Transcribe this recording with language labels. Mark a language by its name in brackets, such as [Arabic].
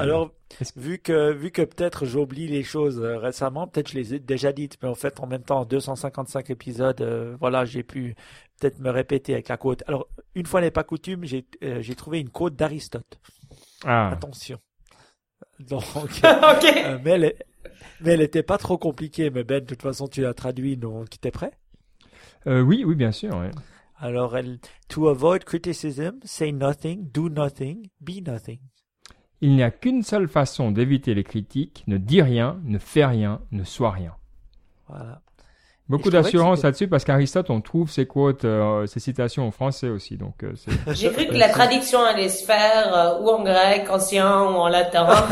[French] Alors, vu que peut-être j'oublie les choses récemment, peut-être je les ai déjà dites, mais en fait, en même temps, 255 épisodes, voilà, j'ai pu peut-être me répéter avec la quote. Alors, une fois n'est pas coutume, j'ai trouvé une quote d'Aristote. Ah. Attention. Donc, ok. Mais elle n'était pas trop compliquée, mais Ben, de toute façon, tu l'as traduit, donc tu es prêt? Oui, bien sûr. Ouais. [English] Alors, to avoid criticism, say nothing, do nothing, be nothing. [French] Il n'y a qu'une seule façon d'éviter les critiques, ne dis rien, ne fais rien, ne sois rien. Voilà. beaucoup d'assurance là-dessus parce qu'Aristote, on trouve ses quotes, ses citations en français aussi. Donc, c'est... J'ai cru que la traduction allait se faire ou en grec ancien ou en latin.